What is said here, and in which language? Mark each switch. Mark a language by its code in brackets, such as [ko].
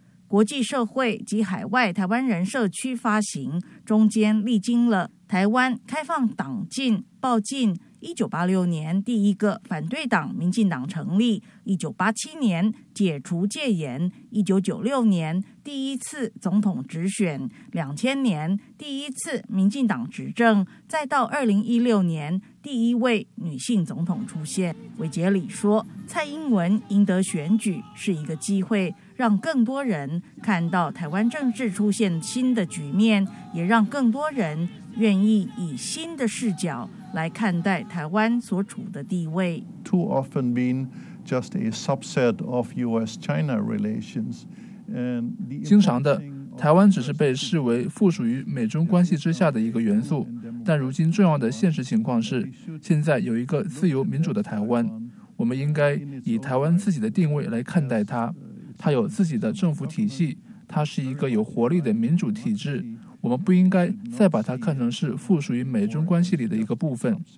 [zh] 国际社会及海外台湾人社区发行，中间历经了台湾开放党禁、报禁、1986年第一个反对党民进党成立、1987年解除戒严、1996年第一次总统直选、2000年第一次民进党执政，再到2016年第一位女性总统出现。韦杰里说，蔡英文赢得选举是一个机会，让更多人看到台湾政治出现新的局面，也让更多人愿意以新的视角来看待台湾所处的地位。 [en] Too often been just a subset of US-China relations. [zh] 经常的，台湾只是被视为附属于美中关系之下的一个元素，但如今重要的现实情况是，现在有一个自由民主的台湾，我们应该以台湾自己的定位来看待它。它有自己的政府体系，它是一个有活力的民主体制，我们不应该再把它看成是附属于美中关系里的一个部分。